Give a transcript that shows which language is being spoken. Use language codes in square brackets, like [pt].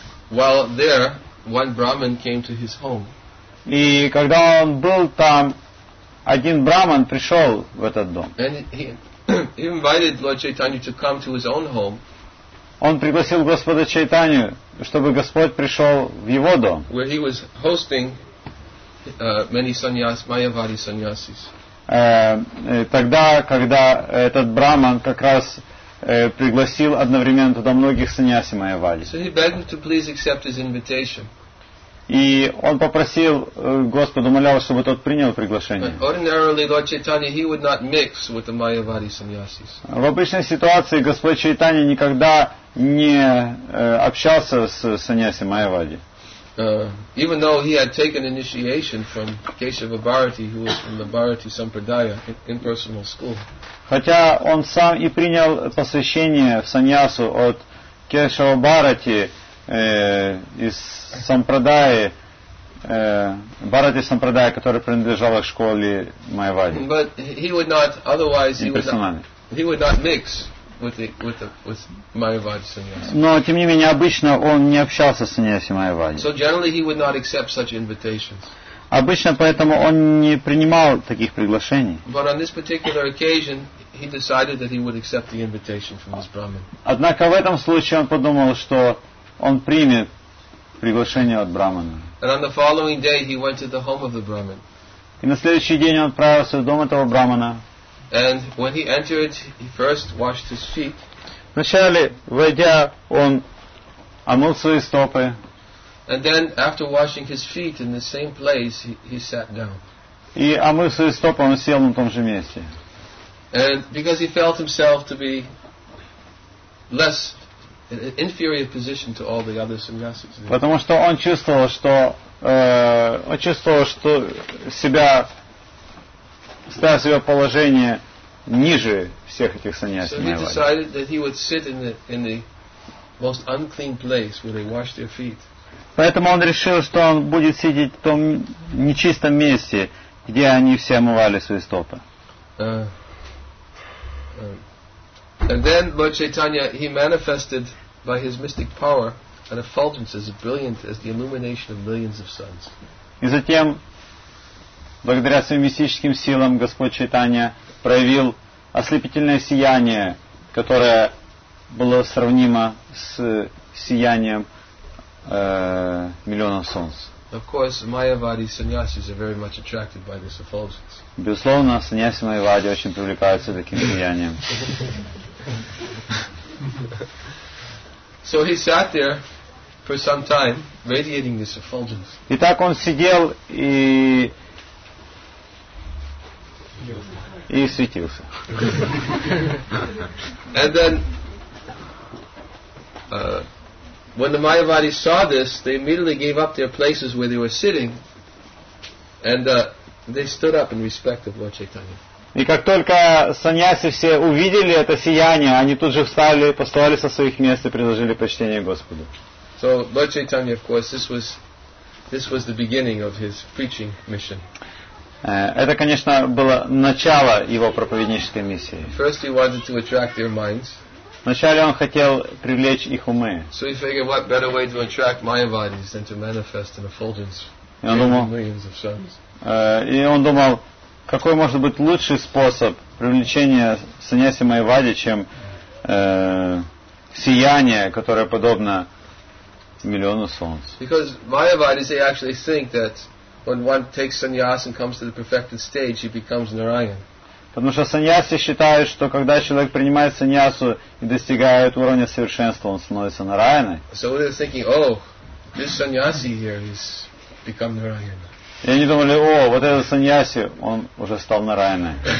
[en] While there, one Brahmin came to his home. [ru] И когда он был там, один Брахман пришел в этот дом. [en] And he, he invited Lord Chaitanya to come to his own home. [ru] Он пригласил Господа Чайтанью, чтобы Господь пришел в его дом, [en] where he was hosting many sannyas, mayavadi sannyasis. [ru] Тогда, когда этот браман как раз пригласил одновременно туда многих саньяси майявади. [en] So he begged him to please accept his invitation. [ru] И он попросил Господа, умолял, чтобы тот принял приглашение. [en] But ordinarily, Lord Chaitanya, he would not mix with the mayavadi sannyasis. [ru] В обычной ситуации Господь Чайтанья никогда не общался с саньяси майявади. [en] Even though he had taken initiation from Keshava Bharati, who was from the Bharati Sampradaya, impersonal school. [ru] Хотя он сам и принял посвящение в саньясу от Кешава Бхарати из Сампрадаи, Бхарати Сампрадаи, который принадлежал к школе майявади. [en] But he would not, otherwise he would not mix with майявади саньяси. [ru] Но тем не менее обычно он не общался с саньяси майявади. [en] So generally he would not accept such invitations. [ru] Обычно поэтому он не принимал таких приглашений. [en] But on this particular occasion, he decided that he would accept the invitation from this Brahmin. [ru] Однако в этом случае он подумал, что он примет приглашение от брахмана. [en] And on the following day, he went to the home of the Brahmin. [ru] И на следующий день он отправился в дом этого брахмана. [en] And when he entered, he first washed his feet. [ru] Вначале, войдя, он омыл свои стопы. [en] And then, after washing his feet in the same place, he sat down. [ru] И омыв свои стопы, он сел на том же месте. [en] And because he felt himself to be less an inferior position to all the other sannyasis. [ru] Потому что он чувствовал, что себя ставил себя положение ниже всех этих саньяси. [en] So he decided that he would sit in the most unclean place where they washed their feet. [ru] Поэтому он решил, что он будет сидеть в том нечистом месте, где они все омывали свои стопы. [en] And then Lord Chaitanya, he manifested by his mystic power an effulgence as brilliant as the illumination of millions of suns. [ru] И затем, благодаря своим мистическим силам, Господь Чайтанья проявил ослепительное сияние, которое было сравнимо с сиянием миллионов солнц. [en] Of course, mayavadi sannyasis are very much attracted by this effulgence. [ru] Безусловно, саньяси майявади очень привлекаются таким сиянием. [en] So he sat there for some time, radiating this effulgence. [ru] Итак, он сидел и светился. [en] And then, when the mayavadis saw this, they immediately gave up their places where they were sitting, and they stood up in respect of Lord Chaitanya. [ru] И как только саньяси все увидели это сияние, они тут же встали, поставали со своих мест и предложили почтение Господу. [en] So Lord Chaitanya, of course, this was the beginning of his preaching mission. [ru] Это, конечно, было начало его проповеднической миссии. [en] First he wanted to attract their minds. [ru] Вначале он хотел привлечь их умы. [en] So he figured, what better way to attract mayavadis than to manifest an effulgence in millions of suns? [ru] И он думал, какой может быть лучший способ привлечения саньяси майявади, чем сияние, которое подобно миллиону солнц? [en] Because mayavadis, they actually think that when one takes sannyas and comes to the perfected stage, he becomes Narayan. [ru] Потому что саньяси считают, что когда человек принимает саньясу и достигает уровня совершенства, он становится Нараяной. [en] So they're thinking, oh, this sannyasi here has become Narayana. [ru] И они думали, о, вот этот саньяси, он уже стал Нараяной.